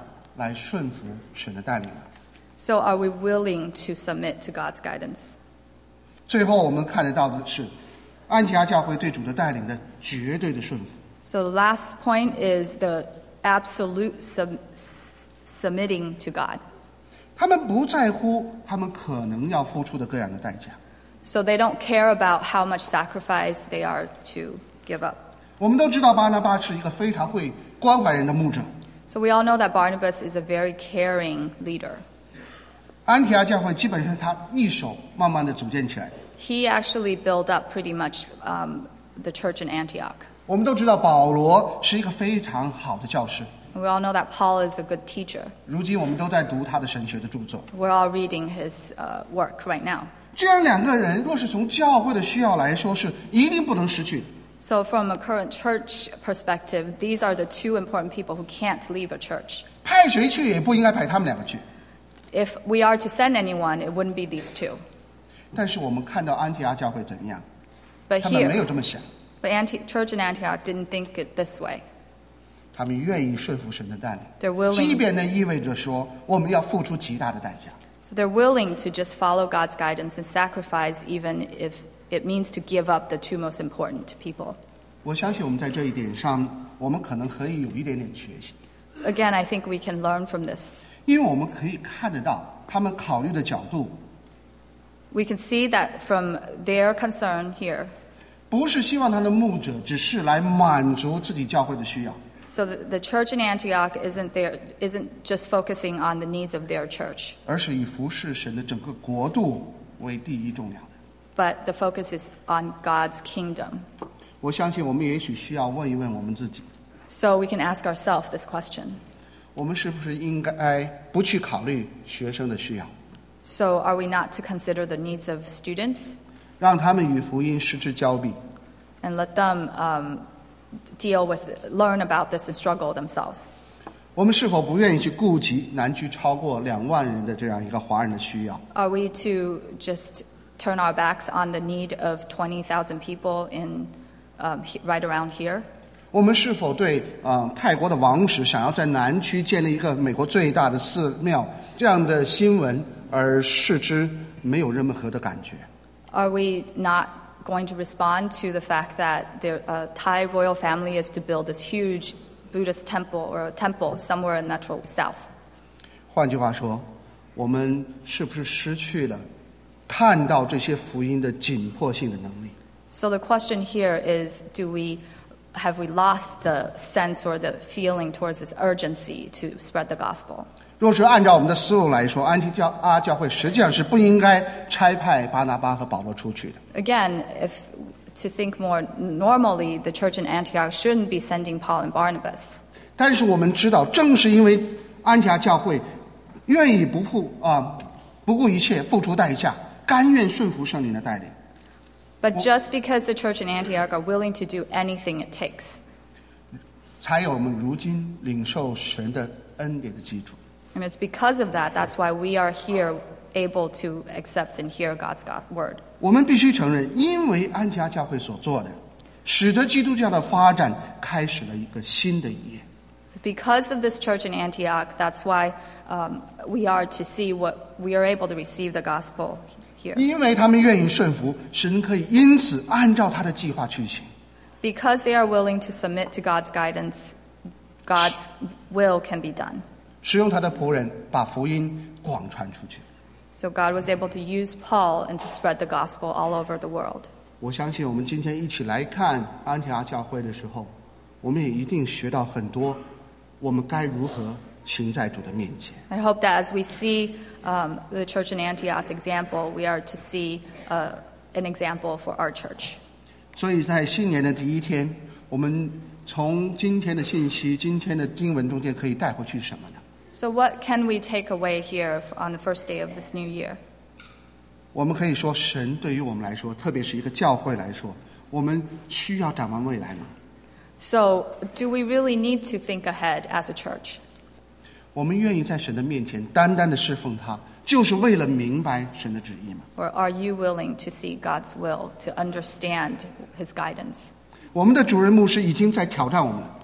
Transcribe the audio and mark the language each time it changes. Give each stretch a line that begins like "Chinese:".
Chinese: 我们愿意这样来顺服神的带领。
English: So are we willing to submit to God's guidance?
Chinese: 最后我们看得到的是, 安提阿教会对主的带领的绝对的顺服。
English: So the last point is the absolute submitting to God.
Chinese: 他们不在乎他们可能要付出的各样的代价。
English: So they don't care about how much sacrifice they are to give up. So we all know that Barnabas is a very caring leader.
Chinese: 安提阿教会基本上是他一手慢慢的组建起来。
English: He actually built up pretty much the church in Antioch.
Chinese: 我们都知道保罗是一个非常好的教师。
English: We all know that Paul is a good teacher.
Chinese: 如今我们都在读他的神学的著作。
English: We're all reading his work right now.
Chinese: 这样两个人若是从教会的需要来说是一定不能失去的。
English: So from a current church perspective, these are the two important people who can't leave a church.
Chinese: 派谁去也不应该派他们两个去。
English: If we are to send anyone, it wouldn't be these two.
Chinese: 但是我们看到安提阿教会怎么样？
English: But here,
Chinese: 他们没有这么想。
English: But church in Antioch didn't think it this way.
Chinese: 他们愿意顺服神的带领。
English: They're willing.
Chinese: 即便那意味着说我们要付出极大的代价。
English: So they're willing to just follow God's guidance and sacrifice, even if it means to give up the two most important people.
Chinese: 我相信我们在这一点上，我们可能可以有一点点学习。
English: So again, I think we can learn from this.
Chinese: 因为我们可以看得到他们考虑的角度。
English: We can see that from their concern here.
Chinese: 不是希望他的牧者只是来满足自己教会的需要。
English: So the church in Antioch isn't just focusing on the needs of their church.
Chinese: 而是以服侍神的整个国度为第一重量。
English: But the focus is on God's kingdom.
Chinese: 我相信我们也许需要问一问我们自己。
English: So we can ask ourselves this question.
Chinese: 我们是不是应该不去考虑学生的需要？
English: So are we not to consider the needs of students?
Chinese: 让他们与福音失之交臂。
English: And let them learn about this and struggle themselves.
Chinese: 我们是否不愿意去顾及南区超过20,000人的这样一个华人的需要？
English: Are we to just turn our backs on the need of 20,000 people in right around here?
Chinese: 我们是否对泰国的王室想要在南区建立一个美国最大的寺庙这样的新闻而视之没有任何的感觉？
English: Are we not going to respond to the fact that the Thai royal family is to build this huge Buddhist temple or a temple somewhere in Metro South?
Chinese: 换句话说，我们是不是失去了看到这些福音的紧迫性的能力？
English: So the question here is, have we lost the sense or the feeling towards this urgency to spread the gospel?
Chinese: 若是按照我们的思路来说，安提教阿教会实际上是不应该差派巴拿巴和保罗出去的。
English: Again, if to think more normally, the church in Antioch shouldn't be sending Paul and Barnabas.
Chinese: 但是我们知道，正是因为安提阿教会愿意不顾一切付出代价，甘愿顺服圣灵的带领。
English: But just because the church in Antioch are willing to do anything it takes,
Chinese: 才有我们如今领受神的恩典的基础。
English: And it's because of that, that's why we are here able to accept and hear God's word.
Chinese: 我们必须承认，因为安提阿教会所做的，使得基督教的发展开始了一个新的一页。
English: Because of this church in Antioch, that's why we are to see what we are able to receive the gospel here.
Chinese: 因为他们愿意顺服，神可以因此按照他的计划去行。
English: Because they are willing to submit to God's guidance, God's will can be done.
Chinese: 使用他的仆人把福音广传出去。
English: So God was able to use Paul and to spread the gospel all over the world.
Chinese: 我相信我们今天一起来看安提阿教会的时候，我们也一定学到很多。我们该如何行在主的面前？
English: I hope that as we see the church in Antioch's example, we are to see an example for our church.
Chinese: 所以在新年的第一天，我们从今天的信息、今天的经文中间可以带回去什么呢？
English: So what can we take away here on the first day of this new year?
Chinese: 我们可以说，神对于我们来说，特别是一个教会来说，我们需要展望未来吗？
English: So, do we really need to think ahead as a church?
Chinese: 我们愿意在神的面前单单的侍奉他，就是为了明白神的旨意吗？
English: Or are you willing to see God's will, to understand His guidance?
Chinese: 我们的主任牧师已经在挑战我们。